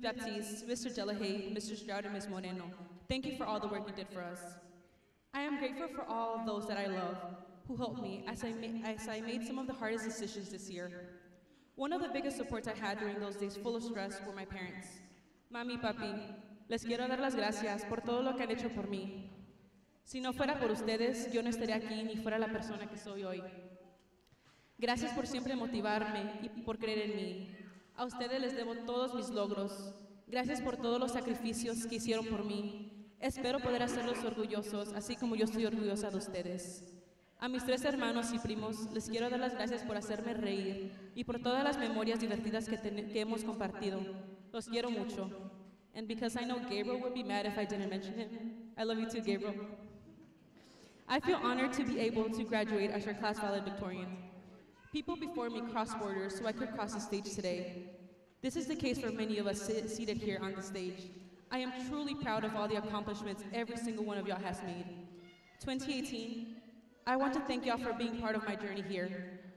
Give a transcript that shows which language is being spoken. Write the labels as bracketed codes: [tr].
[en] Baptiste, Mr. Delahaye, Mr. Stroud, and Ms. Moreno. Thank you for all the work you did for us. I am grateful for all of those that I love, who helped me as I made some of the hardest decisions this year. One of the biggest supports I had during those days full of stress were my parents. [es] Mami, papi, les quiero dar las gracias por todo lo que han hecho por mí. Si no fuera por ustedes, yo no estaría aquí ni fuera la persona que soy hoy. Gracias por siempre motivarme y por creer en mí. A ustedes les debo todos mis logros. Gracias por todos los sacrificios que hicieron por mí. Espero poder hacerlos orgullosos, así como yo estoy orgullosa de ustedes. A mis tres hermanos y primos, les quiero dar las gracias por hacerme reír y por todas las memorias divertidas que hemos compartido. Los quiero mucho. [en] And because I know Gabriel would be mad if I didn't mention him, I love you too, Gabriel. I feel honored to be able to graduate as your class valedictorian. People before me crossed borders so I could cross the stage today. This is the case for many of us seated here on the stage. I am truly proud of all the accomplishments every single one of y'all has made. 2018, I want to thank y'all for being part of my journey here.